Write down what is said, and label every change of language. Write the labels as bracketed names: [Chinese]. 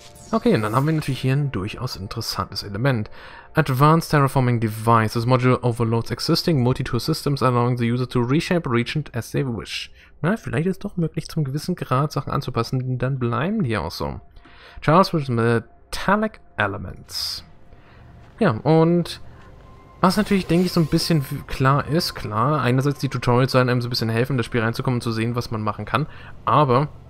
[German] Okay, und dann haben wir natürlich hier ein durchaus interessantes Element. [English] Advanced Terraforming Device. This module overloads existing multi-tool systems, allowing the user to reshape a region as they wish. [German] Na, vielleicht ist es doch möglich, zum gewissen Grad Sachen anzupassen, die dann bleiben hier auch so. [English] Charles with Metallic Elements. [German] Ja, und was natürlich, denke ich, so ein bisschen klar ist, klar, einerseits die Tutorials sollen einem so ein bisschen helfen, in das Spiel reinzukommen und zu sehen, was man machen kann, aber